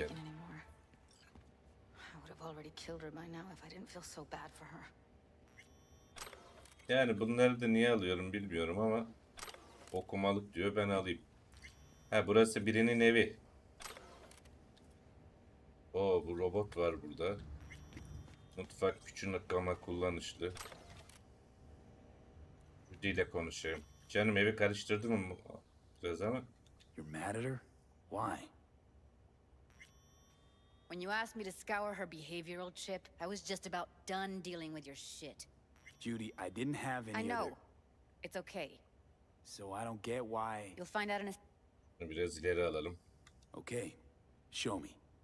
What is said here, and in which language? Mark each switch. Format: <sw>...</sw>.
<en>I would have already killed her by now if I didn't feel so bad for her.</en> <tr>Yani bunları da niye alıyorum bilmiyorum ama okumalık diyor, ben alayım. Ha, burası birinin evi. Oo, bu robot var burada. Mutfak küçük ama kullanışlı. Judy ile konuşayım. Canım, evi karıştırdın mı biraz ama?</tr> <en>You're mad at her? Why? When you asked me to scour her behavioral chip, I was just about done dealing with your shit. Judy, I didn't have any other... I know. Other... It's okay. So I don't get why... You'll find out in a...</en> <tr>Biraz ileri alalım.</tr> <en>Okay. Show me.</en>